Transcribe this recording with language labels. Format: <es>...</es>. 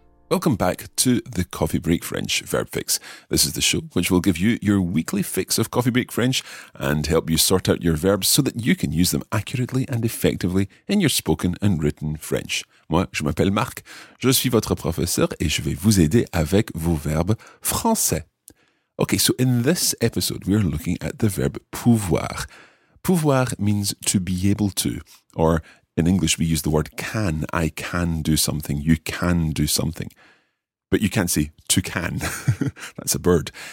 <en>Welcome back to the Coffee Break French Verb Fix. This is the show which will give you your weekly fix of Coffee Break French and help you sort out your verbs so that you can use them accurately and effectively in your spoken and written French.</en> <fr>Moi, je m'appelle Marc, je suis votre professeur et je vais vous aider avec vos verbes français.</fr> <en>Okay, so in this episode, we are looking at the verb pouvoir. Pouvoir means to be able to, or in English, we use the word can. I can do something. You can do something. But you can't say to can. That's a bird.</en>